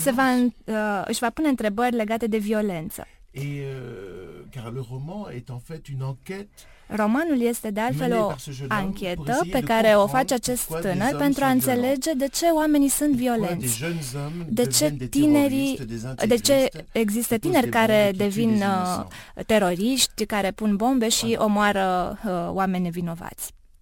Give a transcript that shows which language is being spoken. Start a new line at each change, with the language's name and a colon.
Romanian: Se va își va pune întrebări legate de violență.
French: Et car le roman est en fait une enquête.
Romanian: Romanul este de altfel o anchetă pe care o face acest tânăr pentru a înțelege de ce oamenii sunt violenți, de ce tinerii, de ce există tineri care devin teroriști, care pun bombe și omoară oameni nevinovați.